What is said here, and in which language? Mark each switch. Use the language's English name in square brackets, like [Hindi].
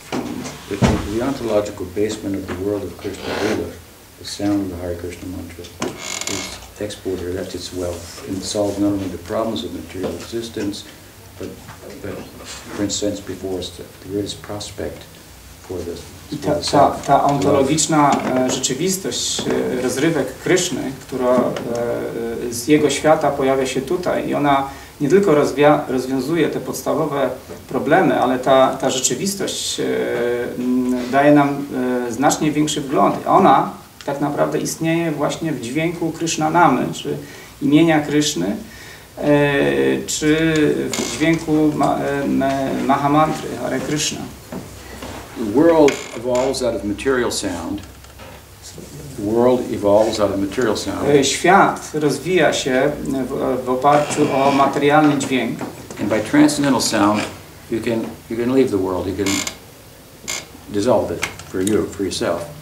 [English] from the ontological basement of the world of Krishna Lila, the sound of the Hare Krishna Mantra, is exported, that's its wealth, and solves not only the problems of material existence, but brings sense before us the greatest prospect for the [Polish] Ta ontologiczna rzeczywistość rozrywek Kryszny, która z jego świata pojawia się tutaj i ona nie tylko rozwiązuje te podstawowe problemy, ale ta rzeczywistość daje nam znacznie większy wgląd. Ona tak naprawdę istnieje właśnie w dźwięku Krishnanamy, czy imienia Kryszny, czy w dźwięku Mahamantry, Hare Krishna. [English] The world evolves out of material sound. The world evolves out of material sound. [Polish] Świat rozwija się w oparciu o materialny dźwięk. [English] And by transcendental sound, you can leave the world. You can dissolve it for you, for yourself.